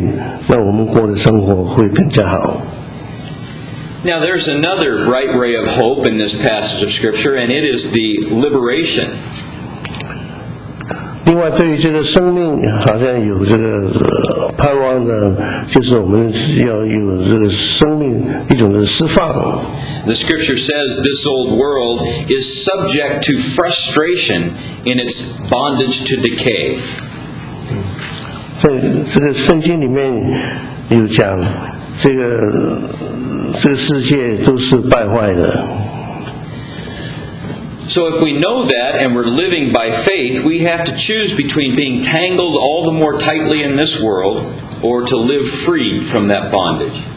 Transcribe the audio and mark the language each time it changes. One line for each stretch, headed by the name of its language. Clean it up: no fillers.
Chinese: 对我们是一种的勉励，我们能够这个过着这个罗马书第八章所给我们的这个教训，那我们过的生活会更加好。
English: Now there's another bright ray of hope in this passage of Scripture, and it is the liberation.
Chinese: 另外对于这个生命好像有这个盼望的，就是我们要有这个生命一种的释放。
English: The Scripture says this old world is subject to frustration in its bondage to decay.
Chinese: 这个圣经里面有讲，这个世界都是败坏的。
English: So if we know that and we're living by faith, we have to choose between being tangled all the more tightly in this world or to live free from that bondage.